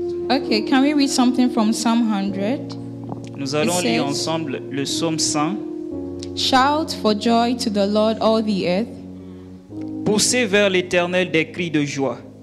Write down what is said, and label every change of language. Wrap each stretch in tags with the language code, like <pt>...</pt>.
<en>Okay, can we read something from Psalm 100?</en> <fr>Nous allons lire ensemble le psaume 100.</fr> <en>Shout for joy to the Lord, all the earth.</en> <fr>Poussez vers l'Éternel des cris de joie.</fr>